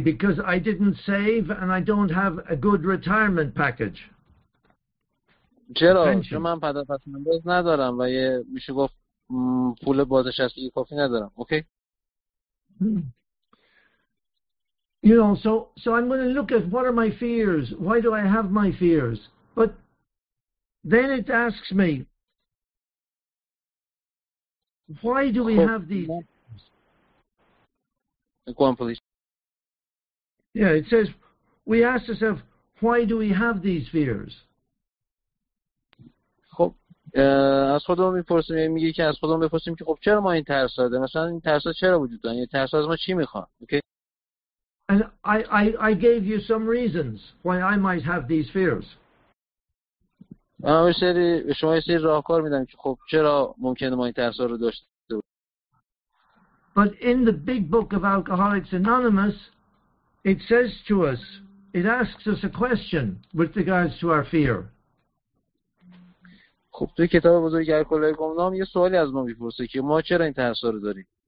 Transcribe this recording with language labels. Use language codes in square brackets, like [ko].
[en] Because I didn't save and I don't have a good retirement package. [fa] چرا؟ چون من پس‌انداز ندارم و یه میشه گفت پول بازنشستگی کافی ندارم. [en] Okay? You know, so I'm going to look at what are my fears? Why do I have my fears? But then it asks me, why do we have these fears? Go on, please. Yeah, it says, we ask ourselves, why do we have these fears? [fa] خب از خودمون میپرسیم، میگه که از خودمون بپرسیم که خب چرا ما این ترس داریم، مثلا این ترس ها چرا وجود دارن، این ترس ها از ما چی میخوان. [en] Okay? And I gave you some reasons why I might have these fears. [fa] من به شما یه سری راهکار میدم که خب چرا ممکنه ما این ترس ها رو داشته باشیم. [en] But in the big book of Alcoholics Anonymous, it says to us, it asks us a question with regards to our fear. [fa] خب توی کتاب بزرگ الکلیکم نام یه سوالی از ما میپرسه که ما چرا این ترس رو داریم.